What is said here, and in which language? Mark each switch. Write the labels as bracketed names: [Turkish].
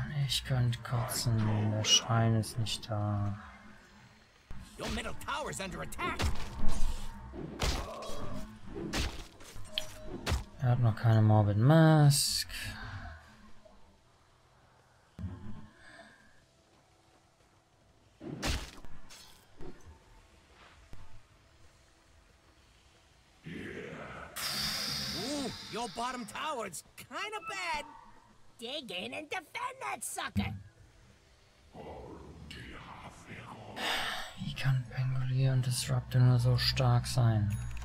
[German] Ich könnte kotzen, der Schrein ist nicht da. [English] Your middle tower is under attack. [German] Er hat noch keine Morbid Mask. [English] Ooh, your bottom tower is kind of bad. Dig in and defend that sucker! [German] Wie kann Pengulier und Disruptor nur so stark sein?